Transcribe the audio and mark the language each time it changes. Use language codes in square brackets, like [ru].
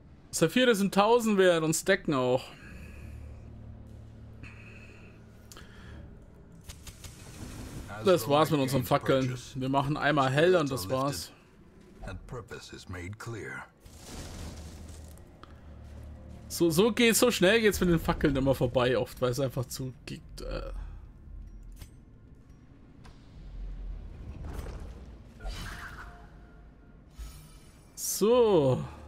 [de] Saphire sind 1000 wert und stacken auch. Das war's mit unseren Fackeln. Wir machen einmal hell und das war's. [en] And purpose is made clear. [de] So geht's, so schnell geht's mit den Fackeln immer vorbei oft, weil es einfach zu geht. So.